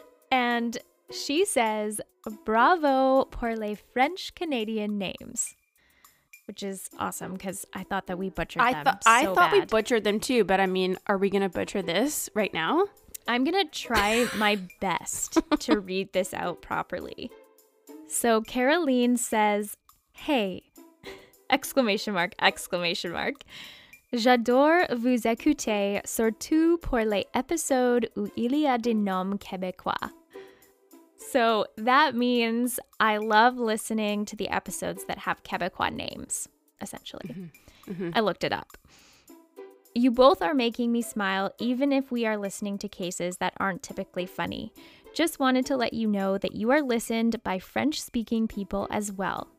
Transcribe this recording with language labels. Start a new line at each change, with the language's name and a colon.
English: And she says,
French: bravo pour les
English: French Canadian names. Which is awesome because I thought that we butchered We butchered them too, but I mean, are we going to butcher this right now? I'm going to try my best to read this out properly. So Caroline says, hey, !!
French: J'adore vous écouter, surtout pour les épisodes où il y a des noms québécois.
English: So that means I love listening to the episodes that have Quebecois names, essentially. Mm-hmm. Mm-hmm. I looked it up. You both are making me smile, even if we are listening to cases that aren't typically funny. Just wanted to let you know that you are listened by French-speaking people as well.